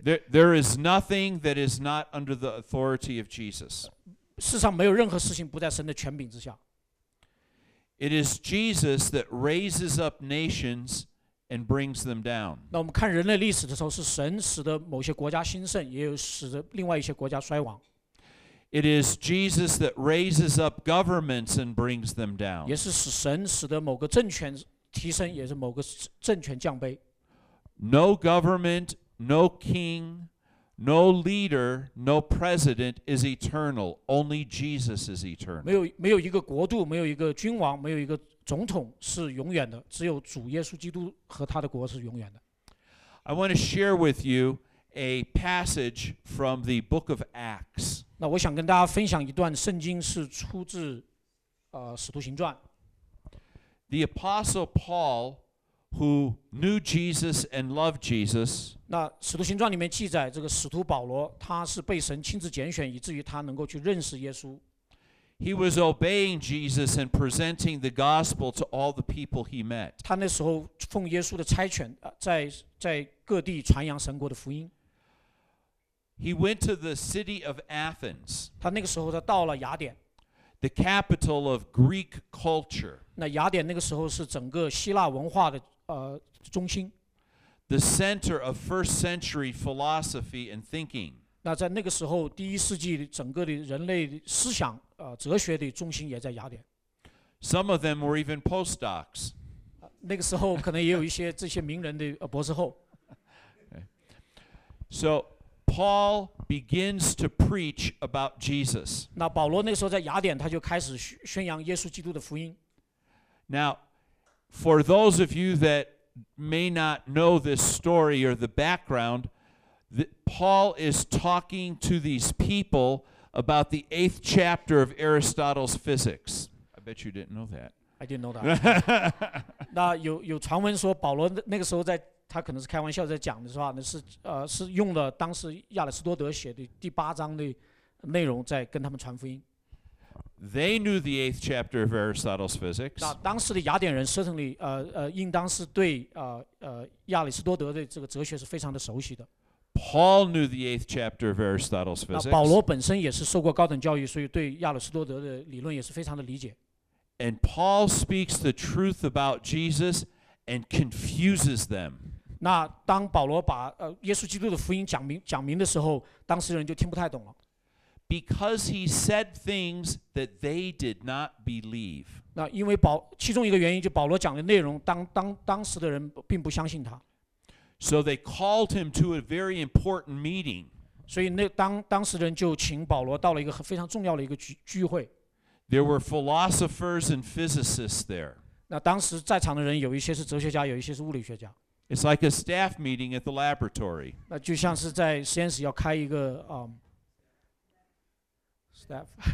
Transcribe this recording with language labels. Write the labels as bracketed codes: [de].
[en] There is nothing that is not under the authority of Jesus. [zh] 世上没有任何事情不在神的权柄之下。 [en] It is Jesus that raises up nations and brings them down. [zh] 那我们看人类历史的时候，是神使得某些国家兴盛，也有使得另外一些国家衰亡。 [en] It is Jesus that raises up governments and brings them down. [zh] 也是使神使得某个政权提升，也是某个政权降卑。 [en] No government, no king, no leader, no president is eternal. Only Jesus is eternal. [zh] 没有一个国度，没有一个君王，没有一个总统是永远的，只有主耶稣基督和他的国是永远的。 [en] I want to share with you a passage from the book of Acts. [zh] 那我想跟大家分享一段圣经，是出自使徒行传。 [en] The apostle Paul, who knew Jesus and loved Jesus. [zh] 那使徒行传里面记载，这个使徒保罗他是被神亲自拣选，以至于他能够去认识耶稣。 [en] He was obeying Jesus and presenting the gospel to all the people he met. [zh] 他那时候奉耶稣的差遣，在各地传扬神国的福音。 [en] He went to the city of Athens. [zh] 他那个时候他到了雅典。 [en] The capital of Greek culture. [zh] 那雅典那个时候是整个希腊文化的中心。 [en] The center of first century philosophy and thinking. [zh] 那在那个时候，第一世纪整个的人类思想。哲学的中心也在雅典。 [en] Some of them were even postdocs. [zh] 那个时候可能也有一些这些名人的博士后。 [en] So Paul begins to preach about Jesus. [zh] 那保罗那个时候在雅典，他就开始宣扬耶稣基督的福音。 [en] Now, for those of you that may not know this story or the background, Paul is talking to these people. About the eighth chapter of Aristotle's Physics. I bet you didn't know that. I didn't know that. [zh] 那有传闻说保罗那个时候在他可能是开玩笑在讲的是吧？那是是用了当时亚里士多德写的第八章的内容在跟他们传福音。 [en] They knew the eighth chapter of Aristotle's Physics. [zh] 那当时的雅典人 [en] certainly [zh] 应当是对亚里士多德的这个哲学是非常的熟悉的。 [en] Paul knew the eighth chapter of Aristotle's physics. [zh] 那保罗本身也是受过高等教育，所以对亚里士多德的理论也是非常的理解。 [en] And Paul speaks the truth about Jesus and confuses them. [zh] 那当保罗把耶稣基督的福音讲明的时候，当事人就听不太懂了。 [en] Because he said things that they did not believe. [zh] 那因为其中一个原因就保罗讲的内容，当时的人并不相信他。 [en] So they called him to a very important meeting. [zh] 所以那当时人就请保罗到了一个非常重要的一个聚会。 [en] There were philosophers and physicists there. [zh] 那当时在场的人有一些是哲学家，有一些是物理学家。 [en] It's like a staff meeting at the laboratory. [zh] 那就像是在实验室要开一个staff